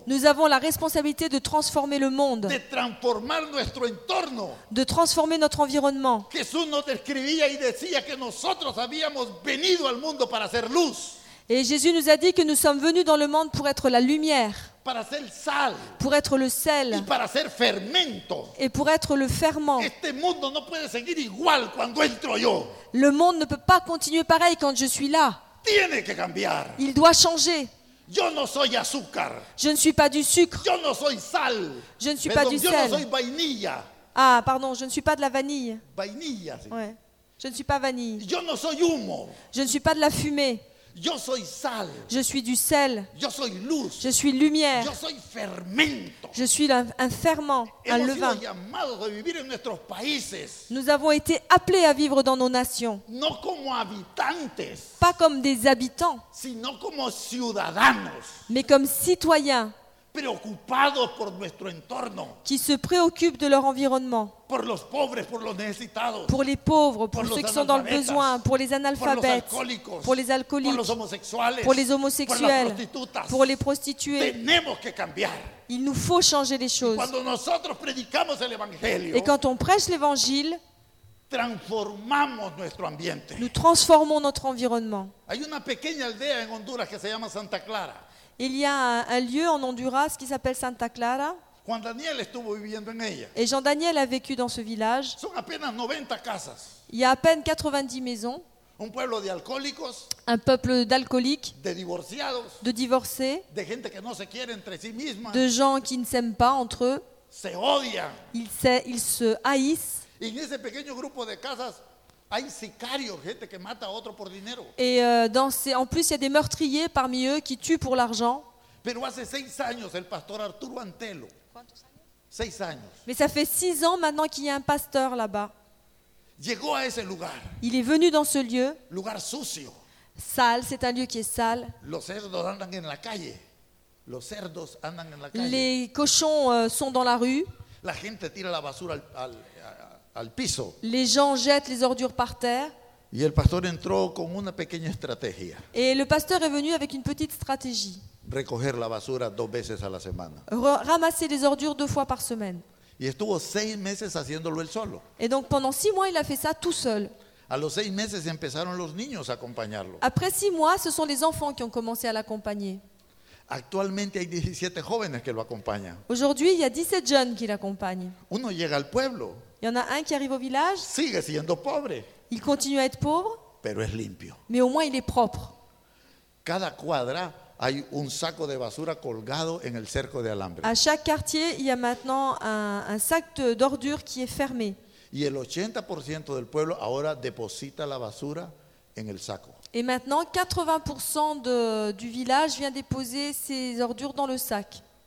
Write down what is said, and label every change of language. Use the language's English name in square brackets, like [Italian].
[French] Nous avons la responsabilité de transformer le monde. [Spanish] De transformar nuestro entorno. [French] De transformer notre environnement. [Spanish] Jesús nos describía y decía que nosotros habíamos venido al mundo para hacer luz. [French] Et Jésus nous a dit que nous sommes venus dans le monde pour être la lumière. [Spanish] Para ser sal. [French] Pour être le sel. [Spanish] Y para ser fermento. [French] Et pour être le ferment. [Spanish] Este mundo no puede seguir igual cuando entro yo. [French] Le monde ne peut pas continuer pareil quand je suis là. [Spanish] Tiene que cambiar. [French] Il doit changer. [Spanish] Yo no soy azúcar. [French] Je ne suis pas du sucre. [Spanish] Yo no soy sal. [French] Je ne suis pas du sel. [Spanish] Yo no soy vainilla. [French] Ah, pardon, je ne suis pas de la vanille. [Spanish] Vainilla, sí. [French] Ouais. Je ne suis pas vanille. [Spanish] Yo no soy humo. [French] Je ne suis pas de la fumée. [Spanish] Yo soy sal. [French] Je suis du sel. [Spanish] Yo soy luz. [French] Je suis lumière. [Spanish] Yo soy fermento. [French] Je suis un ferment, un levain. [Spanish] Hemos sido llamados a vivir en nuestros países. [French] Nous avons été appelés à vivre dans nos nations. [Spanish] No como habitantes. [French] Pas comme des habitants. [Spanish] Sino como ciudadanos. [French] Mais comme citoyens. [Spanish] Preocupados por nuestro entorno. [French] Qui se préoccupent de leur environnement. [Spanish] Por los pobres, por los necesitados. [French] Pour les pauvres, pour ceux qui sont dans le besoin, pour les analphabètes, pour les alcooliques, [Spanish] por los homosexuales, [French] pour les homosexuels, [Spanish] por las prostitutas. [French] Pour les prostituées. [Spanish] Tenemos que cambiar. [French] Il nous faut changer les choses. [Spanish] Y cuando nosotros predicamos el evangelio, [French] et quand on prêche l'évangile, [Spanish] transformamos nuestro ambiente. [French] Nous transformons notre environnement. [Spanish] Hay una pequeña aldea en Honduras que se llama Santa Clara. [French] Il y a un lieu en Honduras qui s'appelle Santa Clara. [Spanish] Juan Daniel estuvo viviendo en ella. [French] Et Jean Daniel a vécu dans ce village. [Spanish] Son apenas 90 casas. [French] Il y a à peine 90 maisons. [Spanish] Un pueblo de alcohólicos. [French] Un peuple d'alcooliques. [Spanish] De divorciados. [French] De divorcés. [Spanish] De gente que no se quiere entre sí misma. [French] De gens qui ne s'aiment pas entre eux. [Spanish] Se odian. [French] Ils se haïssent. [Spanish] Y en ese pequeño grupo de casas hay sicarios, gente que mata a otro por dinero. [French] Et en plus, il y a des meurtriers parmi eux qui tuent pour l'argent. [Spanish] Pero hace 6 años el pastor Arturo Antelo. ¿Cuántos años? 6 años. [French] Mais ça fait 6 ans maintenant qu'il y a un pasteur là-bas. [Spanish] Llegó a ese lugar. [French] Il est venu dans ce lieu. [Spanish] Lugar sucio. [French] Sale, c'est un lieu qui est sale. [Spanish] Los cerdos andan en la calle. Los cerdos andan en la calle. [French] Les cochons sont dans la rue. [Spanish] La gente tira la basura al piso. [French] Les gens jettent les ordures par terre. [Spanish] Y el pastor entró con una pequeña estrategia. [French] Et le pasteur est venu avec une petite stratégie. [Spanish] Recoger la basura dos veces a la semana. [French] Ramasser les ordures deux fois par semaine. [Spanish] Y estuvo 6 meses haciéndolo él solo. [French] Et donc pendant 6 mois il a fait ça tout seul. [Spanish] A los 6 meses empezaron los niños a acompañarlo. [French] Après 6 mois, ce sont les enfants qui ont commencé à l'accompagner. [Spanish] Actualmente hay 17 jóvenes que lo acompañan. [French] Aujourd'hui, il y a 17 jeunes qui l'accompagnent. [Spanish] Uno llega al pueblo. [French] Il y en a un qui arrive au village. [Spanish] Sigue siendo pobre. [French] Il continue à être pauvre. [Spanish] Pero es limpio. [French] Mais au moins il est propre. [Spanish] Cada cuadra hay un saco de basura colgado en el cerco de alambre. [French] À chaque quartier, il y a maintenant un sac d'ordures qui est fermé. [Spanish] Y el 80% del pueblo ahora deposita la basura en el saco. [French] Et maintenant 80% du village vient déposer ses ordures dans le sac.